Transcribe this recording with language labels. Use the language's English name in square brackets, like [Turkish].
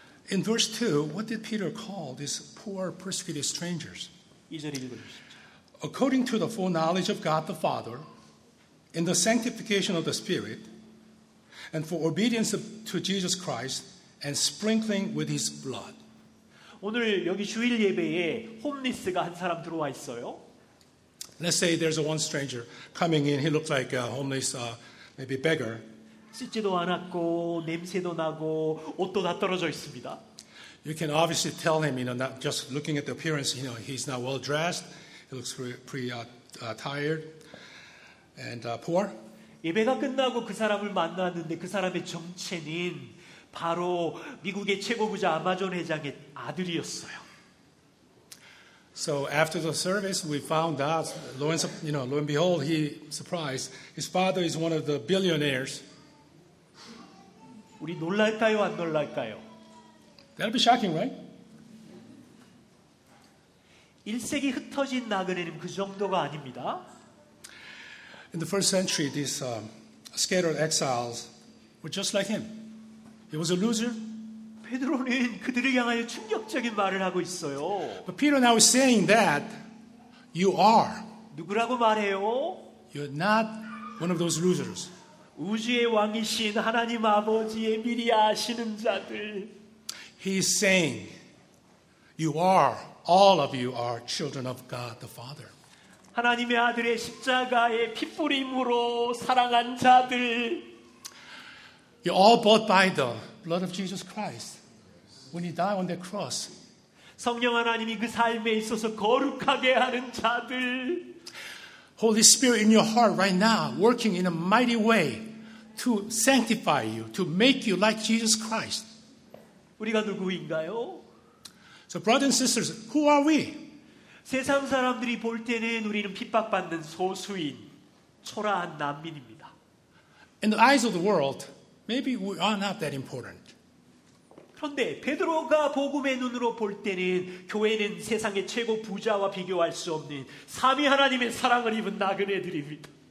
[English] In verse 2, what did Peter call these poor persecuted strangers? [Korean] 이절입니다. [English] According to the foreknowledge of God the Father, in the sanctification of the Spirit, and for obedience to Jesus Christ, and sprinkling with His blood. [Korean] 오늘 여기 주일 예배에 홈리스가 한 사람 들어와 있어요. [English] Let's say there's one stranger coming in. He looks like a homeless, maybe beggar. [Korean] 씻지도 않았고 냄새도 나고 옷도 다 떨어져 있습니다. [English] You can obviously tell him, you know, not just looking at the appearance, you know, he's not well dressed. He looks pretty tired and poor. [Korean] 예배가 끝나고 그 사람을 만났는데 그 사람의 정체는 바로 미국의 최고 부자 아마존 회장의 아들이었어요. [English] So after the service, we found out, lo and behold, he surprised. His father is one of the billionaires. [Korean] 우리 놀랄까요, 안 놀랄까요? [English] That'll be shocking, right? [Korean] 1세기 흩어진 나그네는 그 정도가 아닙니다. [English] In the first century, these scattered exiles were just like him. He was a loser. [Korean] 베드로는 그들을 향하여 충격적인 말을 하고 있어요. [English] But Peter now is saying that you are. [Korean] 누구라고 말해요? [English] You're not one of those losers. [Korean] 우주의 왕이신 하나님 아버지의 미리 아시는 자들. [English] He is saying, you are, all of you are children of God the Father. [Korean] 하나님의 아들의 십자가의 피뿌림으로 사랑한 자들. [English] You're all bought by the blood of Jesus Christ. When he died on the cross. [Korean] 성령 하나님이 그 삶에 있어서 거룩하게 하는 자들. [English] Holy Spirit in your heart right now, working in a mighty way to sanctify you, to make you like Jesus Christ. [Korean] 우리가 누구인가요? [English] So brothers and sisters, who are we? [Korean] 세상 사람들이 볼 때는 우리는 핍박받는 소수인, 초라한 난민입니다. [English] In the eyes of the world, maybe we are not that important. [Korean] 그런데 베드로가 복음의 눈으로 볼 때는 교회는 세상의 최고 부자와 비교할 수 없는 삼위 하나님의 사랑을 입은 나그네들입니다.